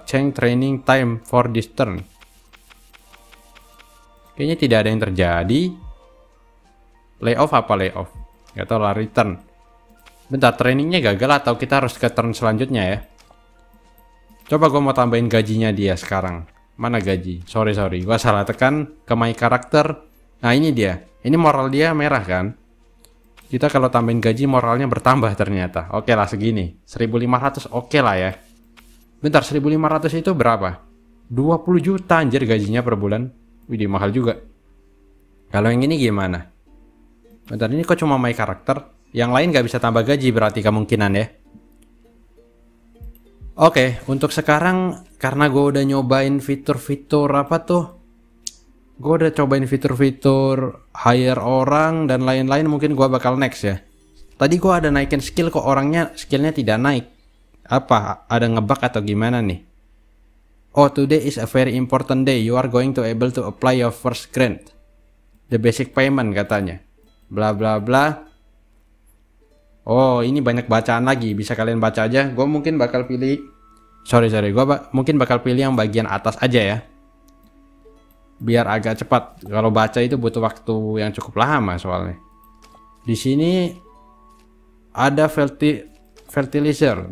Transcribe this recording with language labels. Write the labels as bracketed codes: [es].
[en] Change training time for this turn. [id] Kayaknya tidak ada yang terjadi. Layoff apa layoff? Nggak tahu lah, return. Bentar, trainingnya gagal atau kita harus ke turn selanjutnya ya. Coba gue mau tambahin gajinya dia sekarang. Mana gaji? Sorry. Gue salah tekan ke [en] my character. [id] Nah, ini dia. Ini moral dia merah kan? Kita kalau tambahin gaji moralnya bertambah ternyata. Oke lah segini. 1.500 oke lah ya. Bentar, 1.500 itu berapa? 20 juta anjir gajinya per bulan. Widih, mahal juga. Kalau yang ini gimana? Bentar, ini kok cuma [en] my character? [id] Yang lain gak bisa tambah gaji berarti kemungkinan ya. Oke, untuk sekarang karena gue udah nyobain fitur-fitur apa tuh? Gue udah cobain fitur-fitur hire orang dan lain-lain, mungkin gue bakal next ya. Tadi gue ada naikin skill kok orangnya skillnya tidak naik. Apa? Ada ngebug atau gimana nih? [en] Oh, today is a very important day. You are going to able to apply your first grant. The basic payment [id] katanya. [en] Bla bla bla. [id] Oh, ini banyak bacaan lagi. Bisa kalian baca aja. Gua mungkin bakal pilih. Sorry. Gua mungkin bakal pilih yang bagian atas aja ya. Biar agak cepat. Kalau baca itu butuh waktu yang cukup lama soalnya. Di sini ada fertilizer.